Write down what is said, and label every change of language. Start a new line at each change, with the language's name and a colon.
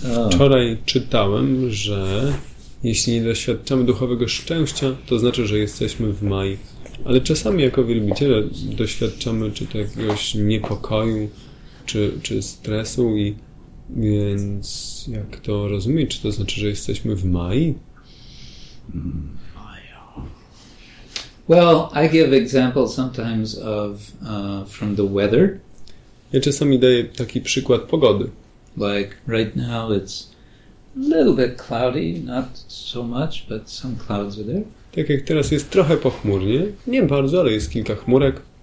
Polish: Wczoraj czytałem, że jeśli nie doświadczamy duchowego szczęścia, to znaczy, że jesteśmy w Maji. Ale czasami jako wielbiciele doświadczamy czy to jakiegoś niepokoju, czy stresu, i więc jak to rozumieć? Czy to znaczy, że jesteśmy w Maji?
English: Well, I give examples sometimes of from the weather.
Polish: Ja czasami daję taki przykład pogody.
English: Like right now it's a little bit cloudy, not so much, but some clouds are there.
Polish: Tak jak teraz jest trochę pochmurnie, nie bardzo, ale jest kilka chmurek.